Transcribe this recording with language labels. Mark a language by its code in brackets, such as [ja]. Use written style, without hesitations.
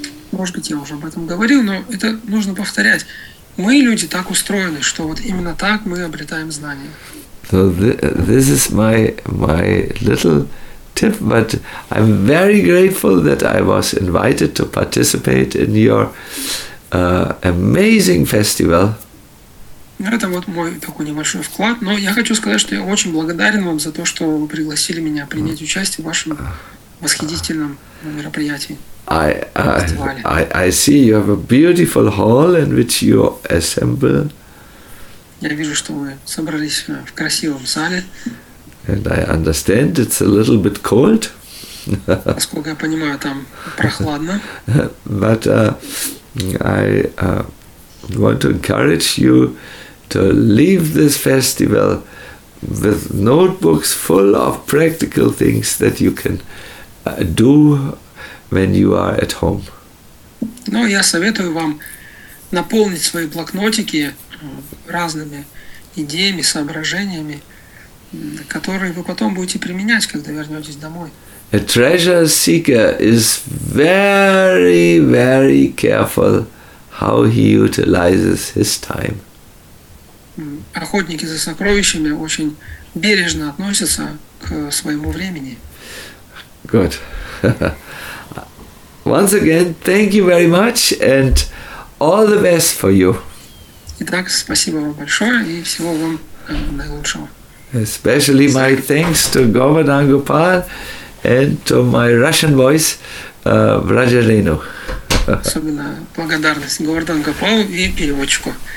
[ru] Может быть, я уже об этом говорил, но это нужно повторять. Мы, люди, так устроены, что вот именно так мы обретаем знания. [en] So this is my little tip, but I'm very grateful that I was invited to participate in your amazing festival. [ru] Это вот мой такой небольшой вклад, но я хочу сказать, что я очень благодарен вам за то, что вы пригласили меня принять участие в вашем восхитительном мероприятии. [en] I see you have a beautiful hall in which you assemble. [ru] Я вижу, что вы собрались в красивом зале. [en] And I understand it's a little bit cold. [ru] Насколько я понимаю, там прохладно. [en] But I want to encourage you to leave this festival with notebooks full of practical things that you can do when you are at home. [ru] Ну, я советую вам наполнить свои блокнотики разными идеями, соображениями, которые вы потом будете применять, когда вернетесь домой. [en] A treasure seeker is very, very careful how he utilizes his time. [ru] Охотники за сокровищами очень бережно относятся к своему времени. [en] Good. Once again, thank you very much and all the best for you. [ru] Итак, спасибо вам большое и всего вам наилучшего. [en] Especially my thanks to Govardhan Gopal and to my Russian voice, Vrajalenu. [ru] особенно благодарность Говардан Гопал и переводчику.